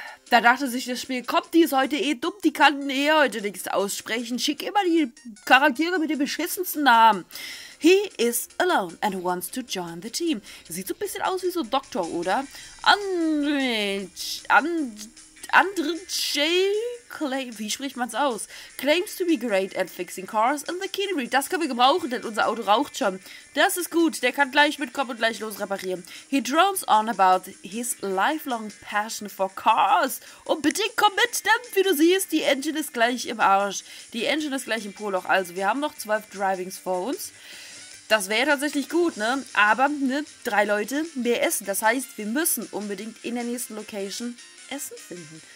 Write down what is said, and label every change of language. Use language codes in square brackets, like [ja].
[de] Da dachte sich das Spiel, kommt, die ist heute eh dumm. Die kann eh heute nichts aussprechen. Schick immer die Charaktere mit den beschissensten Namen. [en] He is alone and wants to join the team. [de] Sieht so ein bisschen aus wie so ein Doktor, oder? Wie spricht man es aus? [en] Claims to be great at fixing cars in the Kinery. [de] Das können wir gebrauchen, denn unser Auto raucht schon. Das ist gut, der kann gleich mitkommen und gleich losreparieren. [en] He drones on about his lifelong passion for cars. [de] Und bitte komm mit, denn wie du siehst, die Engine ist gleich im Arsch. Die Engine ist gleich im Poloch. Also, wir haben noch 12 Drivings vor uns. Das wäre tatsächlich gut, ne? Aber, ne, 3 Leute, mehr Essen. Das heißt, wir müssen unbedingt in der nächsten Location Essen finden.